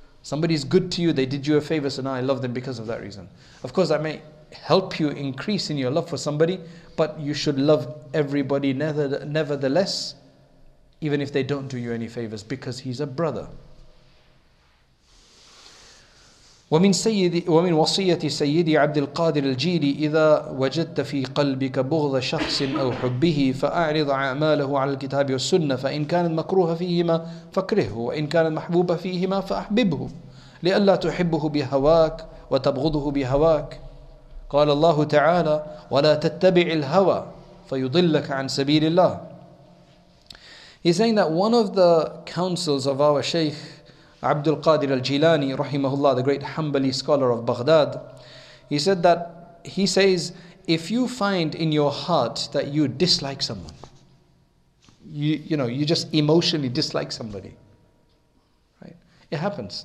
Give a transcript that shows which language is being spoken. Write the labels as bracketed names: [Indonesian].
[English] Somebody's good to you, they did you a favor, so now I love them because of that reason. Of course, that may help you increase in your love for somebody, but you should love everybody nevertheless, even if they don't do you any favors, because he's a brother. [Arabic] ومن وصية سيدي عبد القادر الجيلي إذا وجدت في قلبك بغض شخص أو حبه فأعرض أعماله على الكتاب والسنة فإن كانت مكروهة فيهما فكرهه وإن كانت محبوبة فيهما فأحببه لئلا تحبه بهواك وتبغضه بهواك. قال الله تعالى ولا تتبع الهوى فيضلك عن سبيل الله. [English] He's saying that one of the counsels of our Shaykh Abdul Qadir al-Jilani, rahimahullah, the great Hanbali scholar of Baghdad, he said that, he says, if you find in your heart that you dislike someone, you just emotionally dislike somebody, right? It happens.